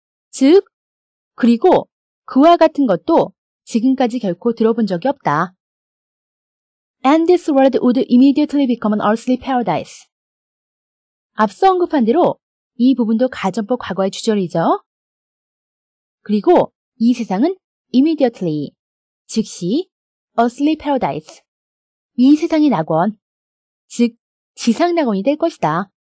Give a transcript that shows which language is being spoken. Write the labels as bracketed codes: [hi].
[ko] 즉, 그리고 그와 같은 것도 지금까지 결코 들어본 적이 없다. [en] And this world would immediately become an earthly paradise. [ko] 앞서 언급한 대로 이 부분도 가정법 과거의 주절이죠. 그리고 이 세상은 immediately, 즉시 earthly paradise, 이 세상의 낙원, 즉 지상 낙원이 될 것이다.